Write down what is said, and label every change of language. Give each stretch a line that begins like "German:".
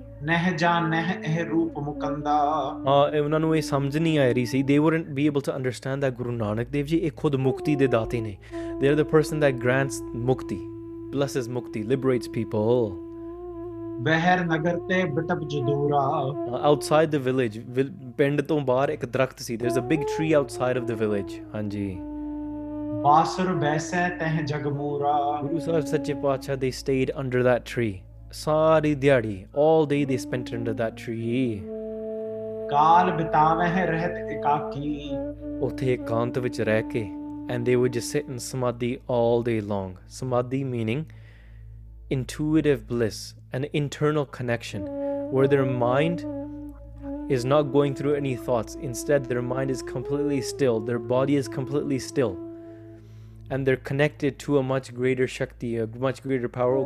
Punjabi: neh jaan neh eh roop mukanda.
English: Ah,
Punjabi: unna nu e samajh nahi aa rahi si,
English: they wouldn't be able to understand that Guru Nanak Dev ji
Punjabi: e khud mukti de daate ne,
English: they're the person that grants mukti, blesses mukti, liberates people.
Punjabi: ਬਹਿਰ ਨਗਰ ਤੇ ਬਟਪ ਜਦੂਰਾ।
English: outside the village,
Punjabi: ਪਿੰਡ ਤੋਂ ਬਾਹਰ ਇੱਕ ਦਰਖਤ ਸੀ,
English: There is a big tree outside of the village. ਹਾਂਜੀ,
Punjabi: ਬਾਸਰ ਬੈਸੇ ਤਹ ਜਗਮੂਰਾ।
English: ਗੁਰੂ ਸਾਹਿਬ ਸੱਚੇ ਪਾਤਸ਼ਾਹ they stayed under that tree
Punjabi: ਸਾਰੀ ਦਿਹਾੜੀ,
English: All day they spent under that tree.
Punjabi: ਕਾਲ ਬਿਤਾਵੇ ਹੈ ਰਹਿਤ ਇਕਾਕੀ, ਉੱਥੇ ਇਕਾਂਤ ਵਿੱਚ ਰਹਿ ਕੇ,
English: And they would just sit in samadhi all day long. Samadhi meaning intuitive bliss, an internal connection where their mind is not going through any thoughts, instead their mind is completely still, their body is completely still, and they're connected to a much greater shakti, a much greater power.